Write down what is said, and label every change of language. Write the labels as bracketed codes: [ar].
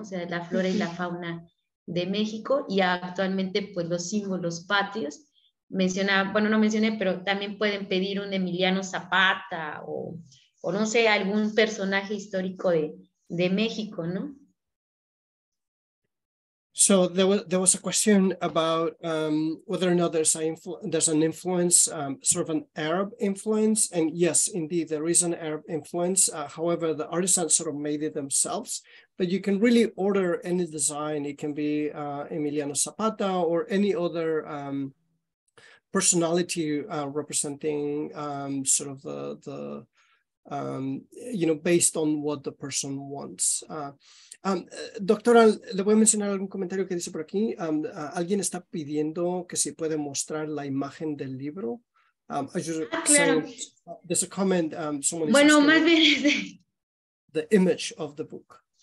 [es] O sea, la flora y la fauna de México, y actualmente pues los símbolos patrios. No mencioné, pero también pueden pedir un Emiliano Zapata o no sé, algún personaje histórico de México, ¿no? [en] So there was a question about whether or not there's an influence, sort of an Arab influence, and yes, indeed, there is an Arab influence. However, the artisans sort of made it themselves, but you can really order any design. It can be Emiliano Zapata or any other personality representing sort of the you know, based on what the person wants. [es] Doctora, le voy a mencionar algún comentario que dice por aquí. Alguien está pidiendo que si puede mostrar la imagen del libro. [en] There's a comment. [es] Bueno, más bien [en] the image of the book.